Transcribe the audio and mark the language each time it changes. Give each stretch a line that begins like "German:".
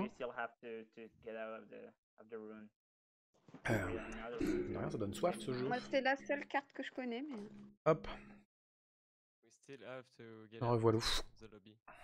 English: We still have to get out of the room.
French: Rien, ça donne soif ce jeu. Moi c'était la seule carte que je connais mais. Hop.
English: We still have to get out of the lobby.